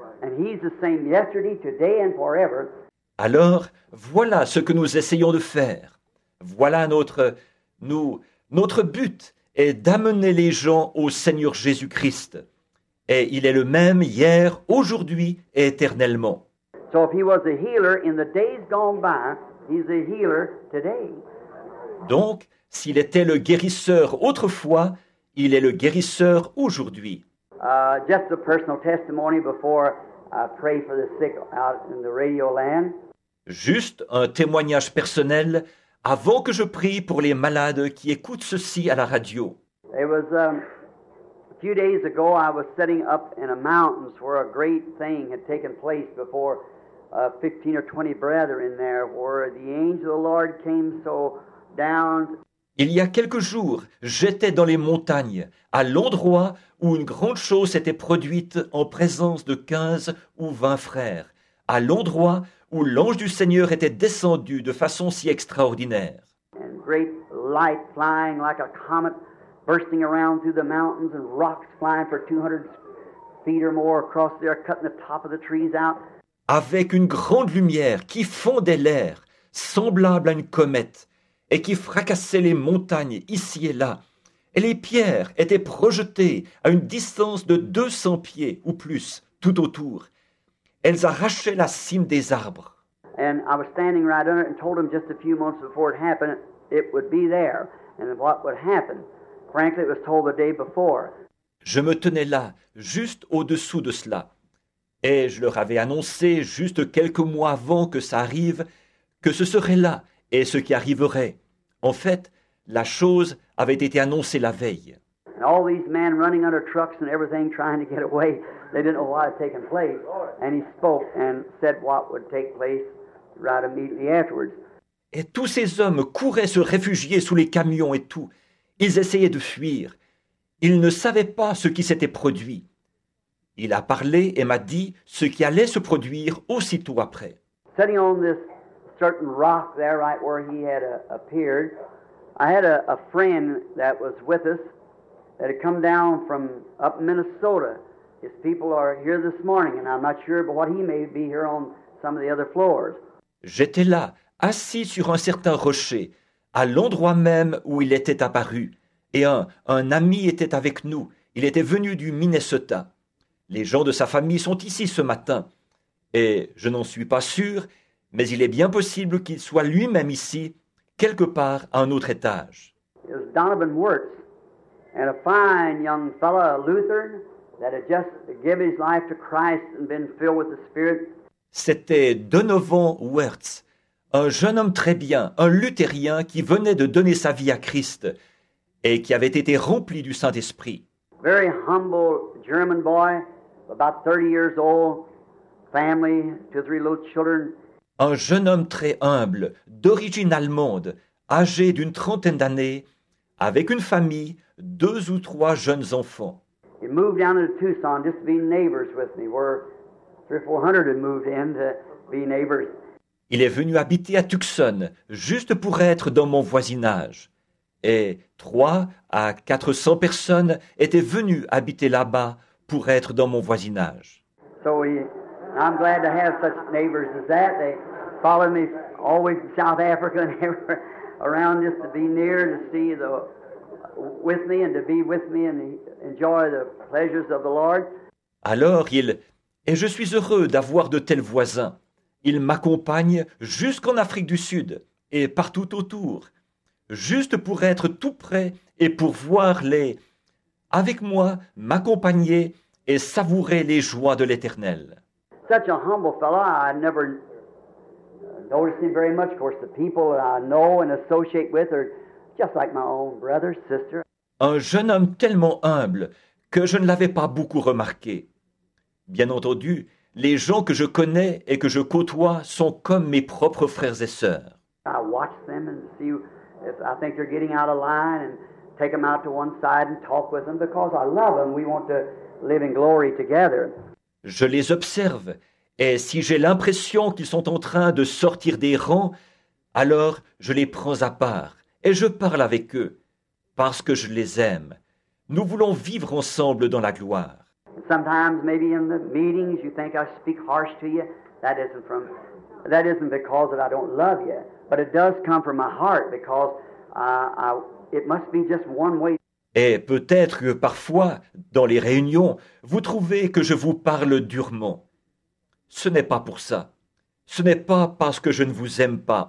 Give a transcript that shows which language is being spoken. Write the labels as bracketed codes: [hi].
[en] And he's the same yesterday, today and forever. [fr] Alors, voilà ce que nous essayons de faire. Voilà notre but est d'amener les gens au Seigneur Jésus-Christ. Et il est le même hier, aujourd'hui et éternellement. [en] So if he was a healer in the days gone by, he's a healer today. [fr] Donc, s'il était le guérisseur autrefois, il est le guérisseur aujourd'hui. [en] Just a personal testimony before I pray for the sick out in the radio land. [fr] Juste un témoignage personnel avant que je prie pour les malades qui écoutent ceci à la radio. [en] It was a few days ago I was setting up in a mountains where a great thing had taken place before 15 or 20 brethren there where the angel of the Lord came so down. [fr] Il y a quelques jours, j'étais dans les montagnes, à l'endroit où une grande chose s'était produite en présence de 15 ou 20 frères, à l'endroit où l'ange du Seigneur était descendu de façon si extraordinaire. [en] And great light flying like a comet bursting around through the mountains and rocks flying for 200 feet or more across there, cutting the top of the trees out. [fr] Avec une grande lumière qui fondait l'air, semblable à une comète, et qui fracassait les montagnes ici et là, et les pierres étaient projetées à une distance de 200 pieds ou plus tout autour. Elles arrachaient la cime des arbres. [en] And I was standing right under it and told him just a few months before it happened, it would be there. And what would happen? Frankly, it was told the day before. [fr] Je me tenais là, juste au-dessous de cela. Et je leur avais annoncé, juste quelques mois avant que ça arrive, que ce serait là et ce qui arriverait. En fait, la chose avait été annoncée la veille. [en] And all these men running under trucks and everything trying to get away, they didn't know what had taken place. And he spoke and said what would take place right immediately afterwards. [fr] Et tous ces hommes couraient se réfugier sous les camions et tout. Ils essayaient de fuir. Ils ne savaient pas ce qui s'était produit. Il a parlé et m'a dit ce qui allait se produire aussitôt après. [en] Sitting on this certain rock there right where he had appeared, I had a friend that was with us that had come down from up Minnesota. His people are here this morning and I'm not sure but what he may be here on some of the other floors. [fr] J'étais là, assis sur un certain rocher, à l'endroit même où il était apparu. Et un ami était avec nous. Il était venu du Minnesota. Les gens de sa famille sont ici ce matin. Et je n'en suis pas sûr, mais il est bien possible qu'il soit lui-même ici, quelque part à un autre étage. [en] It was Donovan Wirtz, and a fine young fellow, a Lutheran, that had just given his life to Christ and been filled with the Spirit. [fr] C'était Donovan Wirtz, un jeune homme très bien, un luthérien qui venait de donner sa vie à Christ et qui avait été rempli du Saint-Esprit. [en] Very humble German boy, about 30 years old, family, two or three little children. [fr] Un jeune homme très humble, d'origine allemande, âgé d'une trentaine d'années, avec une famille, deux ou trois jeunes enfants. [en] He moved down to Tucson just to be neighbors with me. We're 300-400 had moved in to be neighbors. [fr] Il est venu habiter à Tucson juste pour être dans mon voisinage. Et 300 à 400 personnes étaient venues habiter là-bas pour être dans mon voisinage. [en] So I'm glad to have such neighbors as that. They followed me always to South Africa and everywhere around just to be near, to see the with me and to be with me and enjoy the pleasures of the Lord. [fr] Alors et je suis heureux d'avoir de tels voisins. Ils m'accompagnent jusqu'en Afrique du Sud et partout autour, juste pour être tout près et pour voir avec moi, m'accompagner et savourer les joies de l'Éternel. [en] Such a humble fellow, I never noticed him very much. Of course, the people that I know and associate with are just like my own brother, sister. [fr] Un jeune homme tellement humble que je ne l'avais pas beaucoup remarqué. Bien entendu, les gens que je connais et que je côtoie sont comme mes propres frères et sœurs. [en] I watch them and see if I think they're getting out of line and take them out to one side and talk with them because I love them. We want to live in glory together. [fr] Je les observe et si j'ai l'impression qu'ils sont en train de sortir des rangs, alors je les prends à part et je parle avec eux parce que je les aime. Nous voulons vivre ensemble dans la gloire. [en] Sometimes, maybe in the meetings, you think I speak harsh to you. That isn't because that I don't love you, but it does come from my heart because it must be just one way. [fr] Et peut-être que parfois, dans les réunions, vous trouvez que je vous parle durement. Ce n'est pas pour ça. Ce n'est pas parce que je ne vous aime pas.